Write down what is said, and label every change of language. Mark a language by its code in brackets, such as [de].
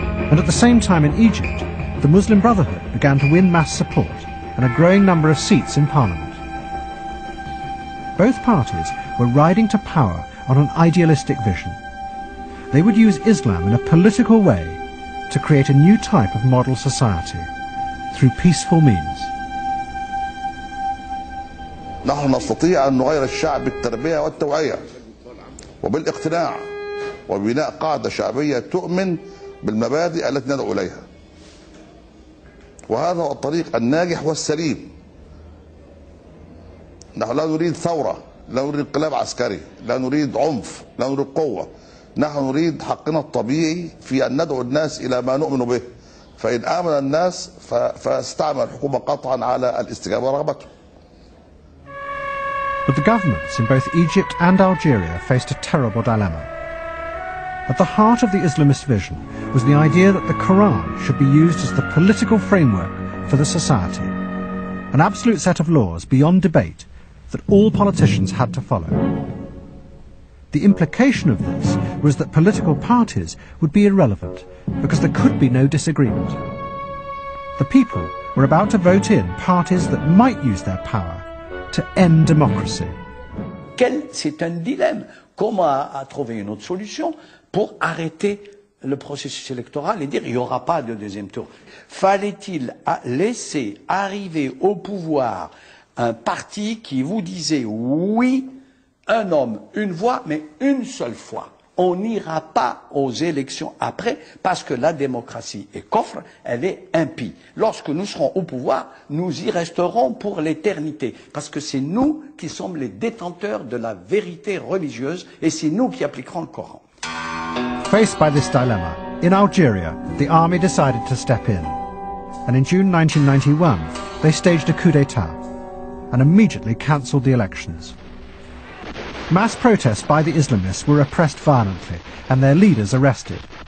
[en] And at the same time in Egypt, the Muslim Brotherhood began to win mass support and a growing number of seats in parliament. Both parties were riding to power on an idealistic vision. They would use Islam in a political way to create a new type of model society through peaceful means. [ar] نحن نستطيع أن نغير الشعب بالتربية والتوعية وبالاقتناع وبناء قاعدة شعبية تؤمن بالمبادئ التي ندعو إليها وهذا هو الطريق الناجح والسليم نحن لا نريد ثورة لا نريد انقلاب عسكري لا نريد عنف لا نريد قوة نحن نريد حقنا الطبيعي في أن ندعو الناس إلى ما نؤمن به فإن آمن الناس فستعمل الحكومة قطعا على الاستجابة ورغبته [en] But the governments in both Egypt and Algeria faced a terrible dilemma. At the heart of the Islamist vision was the idea that the Quran should be used as the political framework for the society, an absolute set of laws beyond debate that all politicians had to follow. The implication of this was that political parties would be irrelevant because there could be no disagreement. The people were about to vote in parties that might use their power to end democracy. [fr] Quel c'est un dilemme. Comment a trouver une autre solution pour arrêter le processus électoral et dire il y aura pas de deuxième tour. Fallait-il laisser arriver au pouvoir un parti qui vous disait oui, un homme, une voix, mais une seule fois. On n'ira pas aux élections après parce que la démocratie est coffre, elle est impie. Lorsque nous serons au pouvoir, nous y resterons pour l'éternité parce que c'est nous qui sommes les détenteurs de la vérité religieuse et c'est nous qui appliquerons le Coran. [en] Faced by this dilemma, in Algeria, the army decided to step in. And in June 1991, they staged a coup d'état and immediately cancelled the elections. Mass protests by the Islamists were repressed violently and their leaders arrested.